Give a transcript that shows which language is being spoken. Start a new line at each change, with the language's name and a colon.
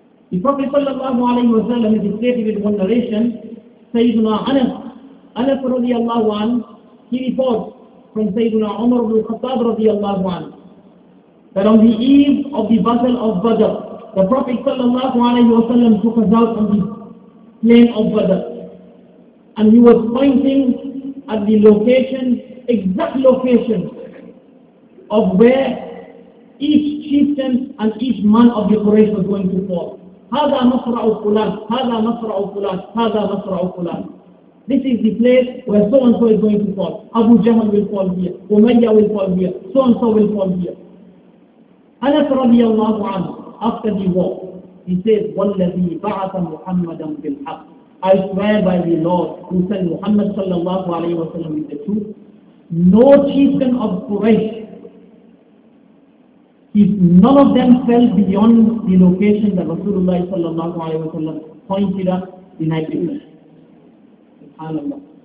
English: The Prophet sallallahu alayhi wa sallam is stated in one narration, Sayyiduna Anas radiallahu anhu, he reports from Sayyiduna Umar ibn Khattab radiallahu anhu, that on the eve of the battle of Badr, the Prophet sallallahu alayhi wa sallam took us out on the plain of Badr. And he was pointing at the location, exact location, of where each chieftain and each man of the Quraysh was going to fall.
Arabic: هذا نصرع فلان, هذا نصرع فلان, هذا نصرع فلان.
English: This is the place where so-and-so is going to fall. Abu Jahl will fall here, Umayyah will fall here, so-and-so will fall here. Anas radiallahu anhu, after the war, he says,
Arabic: وَالَّذِي بَعَثَ مُحَمَّدًا بِالْحَقِّ
English: I swear by the Lord who sent Muhammad sallallahu alayhi wa sallam with the truth, no chieftain of Quraysh, if none of them fell beyond the location that Rasulullah sallallahu alayhi wa sallam pointed at the night before. SubhanAllah.